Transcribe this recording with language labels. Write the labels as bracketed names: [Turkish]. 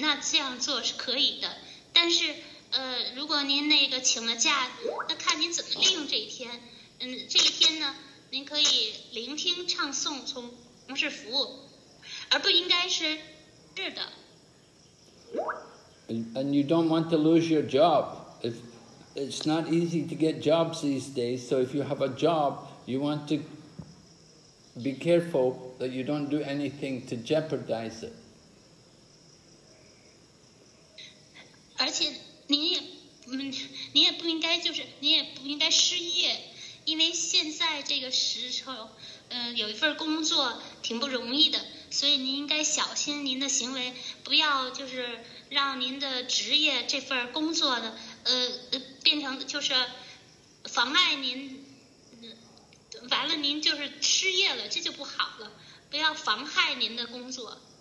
[Chinese] 这取决于您。如果您能请下假来不上班，那这样做是可以的。但是。 如果您那个请了假，那看您怎么利用这一天。这一天呢，您可以聆听唱诵，从事服务，而不应该是是的。 [English] And you don't want to lose your job. If it's not easy to get jobs these days, so if you have a job, you want to be careful that you don't do anything to jeopardize it. [Chinese] 而且您也不应该就是您也不应该失业，因为现在这个时候，有一份工作挺不容易的，所以您应该小心您的行为，不要就是让您的职业这份工作的变成就是妨碍您，完了您就是失业了，这就不好了，不要妨害您的工作。